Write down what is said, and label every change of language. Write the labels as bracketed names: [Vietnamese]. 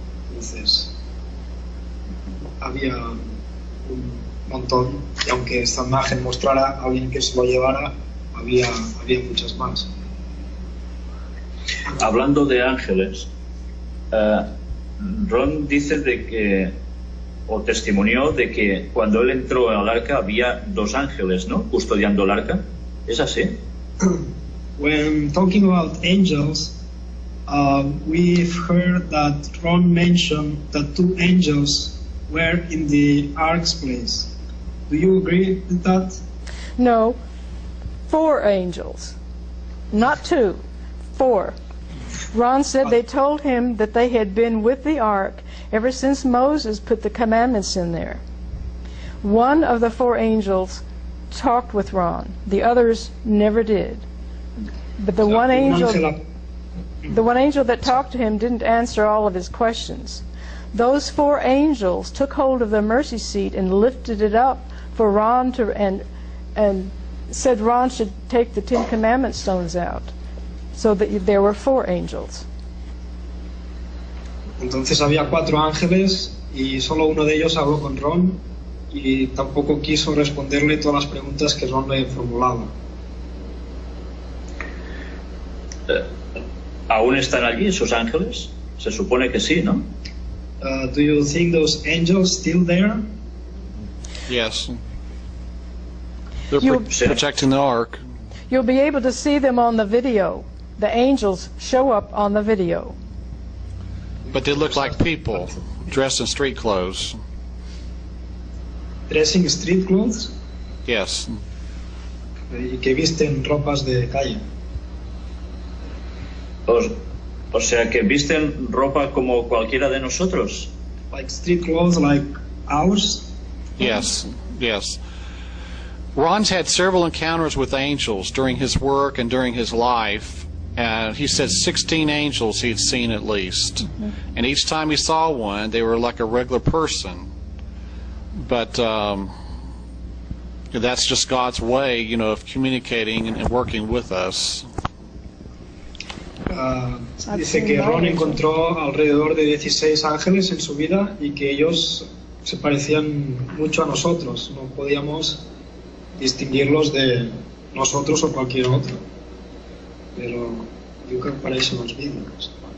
[Spanish] Entonces, había un montón, y aunque esta imagen mostrara a alguien que se lo llevara, había muchas más. Hablando de ángeles, Ron dice de que, o testimonió de que cuando él entró al arca había dos ángeles, ¿no?, custodiando el arca. ¿Es así? [English] When talking about angels, we've heard that Ron mentioned that two angels were in the ark's place. Do you agree with that? No. Four angels. Not two. Four. Ron said they told him that they had been with the ark ever since Moses put the commandments in there. One of the four angels talked with Ron. The others never did. But the one angel that talked to him didn't answer all of his questions. Those four angels took hold of the mercy seat and lifted it up for Ron to and said Ron should take the Ten Commandment stones out. So that there were four angels. [Spanish] Entonces había cuatro ángeles y solo uno de ellos habló con Ron y tampoco quiso responderle todas las preguntas que Ron le formulaba. ¿Aún están allí esos ángeles? Se supone que sí, ¿no? [English] Do you think those angels still there? Yes. They're protecting the ark. You'll be able to see them on the video. The angels show up on the video. But they look like people dressed in street clothes. Dressing street clothes? Yes. [Spanish] Y que visten ropas de calle. O sea, que visten ropa como cualquiera de nosotros. [English] Like street clothes, like ours? Yes, yes. Ron's had several encounters with angels during his work and during his life. He said 16 angels he'd seen at least. Mm-hmm. And each time he saw one, they were like a regular person. But that's just God's way, you know, of communicating and working with us. [Spanish] Dice que Ron encontró alrededor de 16 ángeles en su vida y que ellos se parecían mucho a nosotros. No podíamos distinguirlos de nosotros o cualquier otro. Pero yo creo que para eso nos vídeos.